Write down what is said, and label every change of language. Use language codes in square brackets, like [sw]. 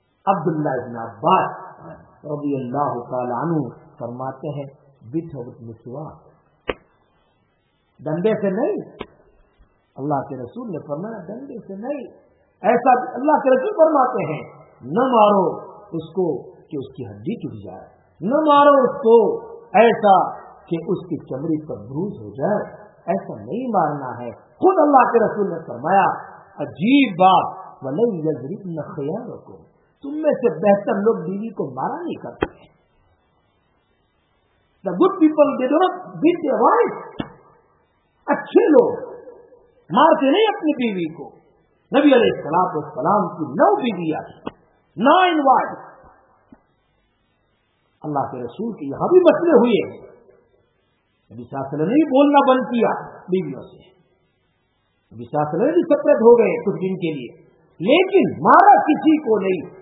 [ur] عبداللہ ابن عباس رضی اللہ تعالی عنہ فرماتے ہیں ڈنڈے سے نہیں, اللہ کے رسول نے فرمایا ڈنڈے سے نہیں, ایسا اللہ کے رسول فرماتے ہیں نہ مارو اس کو کہ اس کی ہڈی ٹوٹ جائے, نہ مارو اس کو ایسا کہ اس کی چمڑی پر بروز ہو جائے, ایسا نہیں مارنا ہے. خود اللہ کے رسول نے فرمایا عجیب بات, [ar] ولن یضربن خیارکم, [ur] تم میں سے بہتر لوگ بیوی کو مارا نہیں کرتے, [en] The good people they don't beat their wife. [ur] اچھے لوگ مارتے نہیں اپنی بیوی کو. نبی علیہ الصلوۃ والسلام کی 9 بیویاں, 9 وائف. اللہ کے رسول کے یہاں بھی مسئلے ہوئے, نبی صلی اللہ علیہ وسلم نے بولنا بند کیا بیویوں سے, نبی صلی اللہ علیہ وسلم بھی سپریٹ ہو گئے کچھ دن کے لیے, لیکن مارا کسی کو نہیں.